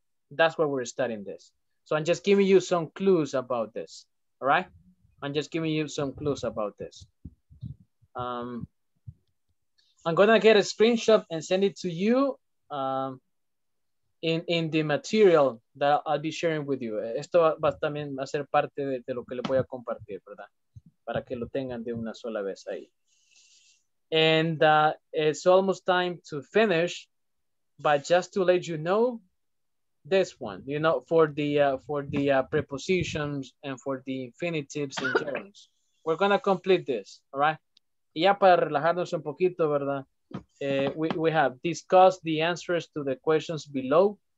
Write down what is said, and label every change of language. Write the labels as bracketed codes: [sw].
[en] That's why we're studying this. So I'm just giving you some clues about this. All right. I'm just giving you some clues about this. I'm gonna get a screenshot and send it to you in the material that I'll be sharing with you. [es] Esto va también a ser parte de lo que le voy a compartir, ¿verdad? Para que lo tengan de una sola vez ahí. [en] And it's almost time to finish, but just to let you know, this one, you know, for the prepositions and for the infinitives and gerunds, we're gonna complete this, all right? [es] Ya para relajarnos un poquito, ¿verdad? [en] We have discussed the answers to the questions below.